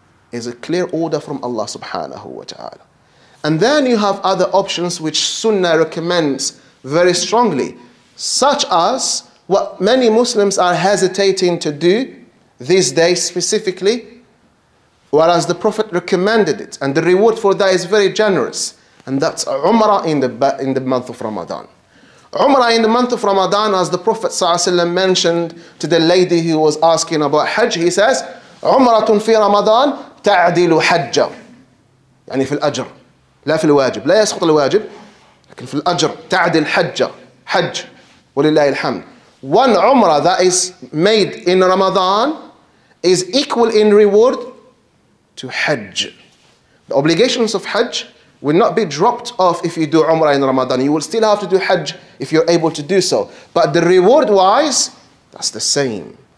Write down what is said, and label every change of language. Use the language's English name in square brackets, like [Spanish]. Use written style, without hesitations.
[English] Is a clear order from Allah subhanahu wa ta'ala. And then you have other options which Sunnah recommends very strongly, such as what many Muslims are hesitating to do these days specifically, whereas the Prophet recommended it, and the reward for that is very generous, and that's Umrah in the month of Ramadan. Umrah in the month of Ramadan, as the Prophet ﷺ mentioned to the lady who was asking about Hajj, he says, [Arabic] Umrah fi Ramadan ta'dilu hajja. يعني في الأجر لا في الواجب لا يسقط الواجب لكن في الأجر تعدل حجة حج ولله الحمد. [English] One Umrah that is made in Ramadan is equal in reward to Hajj. The obligations of Hajj will not be dropped off if you do Umrah in Ramadan. You will still have to do Hajj if you're able to do so. But the reward wise, that's the same.